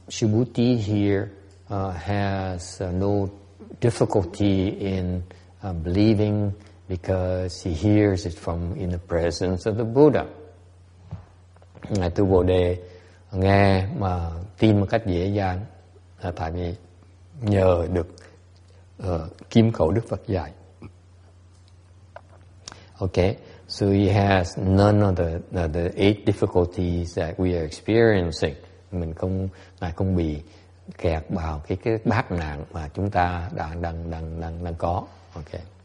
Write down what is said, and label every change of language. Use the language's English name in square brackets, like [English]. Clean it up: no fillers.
[English] Shubhuti here has no difficulty in believing because he hears it from in the presence of the Buddha. [Vietnamese] Ngài Tu Bồ Đề nghe mà tin một cách dễ dàng là tại vì nhờ được kim khẩu Đức Phật dạy. [English] Okay, so he has none of the eight difficulties that we are experiencing. [Vietnamese] Mình không, ngài không bị kẹt vào cái bát nạn mà chúng ta đang có. Ok.